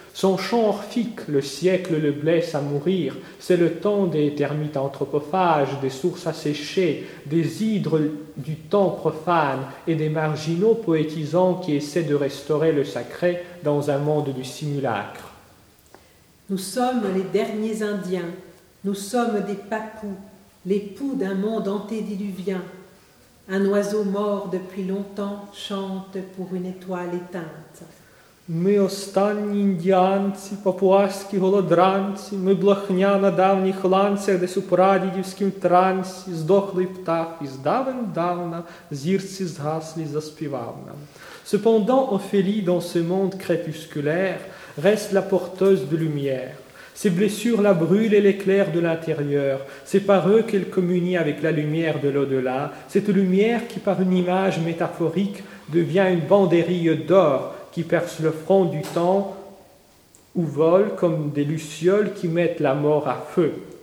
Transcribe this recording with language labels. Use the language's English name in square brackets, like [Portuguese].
[French] Son chant orphique, le siècle le blesse à mourir, c'est le temps des termites anthropophages, des sources asséchées, des hydres du temps profane et des marginaux poétisants qui essaient de restaurer le sacré dans un monde du simulacre. Nous sommes les derniers Indiens, nous sommes des papous, l'époux d'un monde antédiluvien. Un oiseau mort depuis longtemps chante pour une étoile éteinte. [Ukrainian] Ми останні індіанці, папуаські голодранці, ми блохня на давніх ланцях, десь у прадідівськім трансі, здохлий птах із давен-давна, зірці згаслі заспівав нам. [French] Cependant, Ophélie, dans ce monde crépusculaire, reste la porteuse de lumière. Ses blessures la brûlent et l'éclairent de l'intérieur. C'est par eux qu'elle communie avec la lumière de l'au-delà, cette lumière qui, par une image métaphorique, devient une banderille d'or qui perce le front du temps ou vole comme des lucioles qui mettent la mort à feu.